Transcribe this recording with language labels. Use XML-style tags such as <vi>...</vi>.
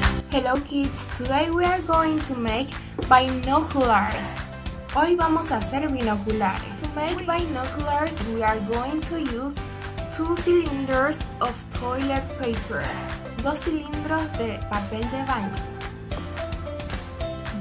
<en>Hello kids, today we are going to make binoculars.</en> <es>Hoy vamos a hacer binoculares.</es> <en>To make binoculars, we are going to use two cylinders of toilet paper.</en> <es>Dos cilindros de papel de baño.</es>